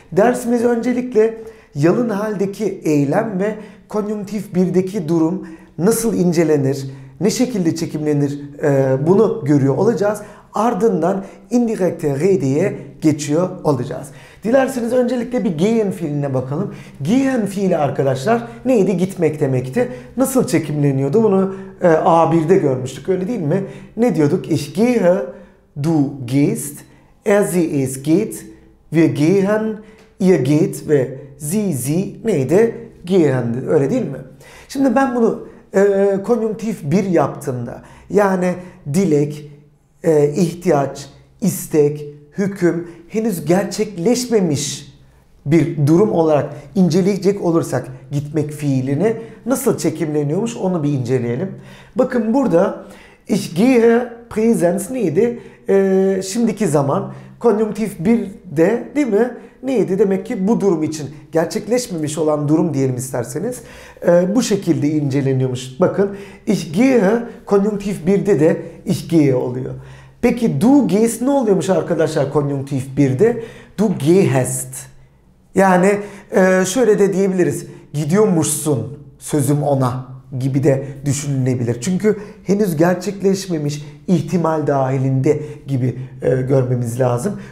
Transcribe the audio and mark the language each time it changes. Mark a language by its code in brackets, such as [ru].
[tr] Dersimiz öncelikle yalın haldeki eylem ve konjunktif 1'deki durum nasıl incelenir, ne şekilde çekimlenir bunu görüyor olacağız. Ardından indirekte rede'ye geçiyor olacağız. Dilerseniz öncelikle bir gehen fiiline bakalım. Gehen fiili arkadaşlar neydi? Gitmek demekti. Nasıl çekimleniyordu? Bunu A1'de görmüştük, öyle değil mi? Ne diyorduk? [de] Ich gehe, du gehst, er, sie, es geht, wir gehen, ihr geht [tr] ve sie neydi? Gehen, öyle değil mi? Şimdi ben bunu konjunktif 1 yaptığımda, yani dilek, ihtiyaç, istek, hüküm, henüz gerçekleşmemiş bir durum olarak inceleyecek olursak gitmek fiilini nasıl çekimleniyormuş onu bir inceleyelim. Bakın burada [de] ich gehe [tr] präsens neydi? Şimdiki zaman. Konjunktif 1 de değil mi? Neydi? Demek ki bu durum için gerçekleşmemiş olan durum diyelim isterseniz. Bu şekilde inceleniyormuş. Bakın. [de] Ich gehe [tr] konjunktif 1'de de [de] ich gehe [tr] oluyor. Peki [de] du gehst [tr] ne oluyormuş arkadaşlar konjunktif 1'de? [de] Du gehst. [tr] Yani şöyle de diyebiliriz. Gidiyormuşsun sözüm ona gibi de düşünülebilir. Çünkü henüz gerçekleşmemiş, ihtimal dahilinde gibi görmemiz lazım.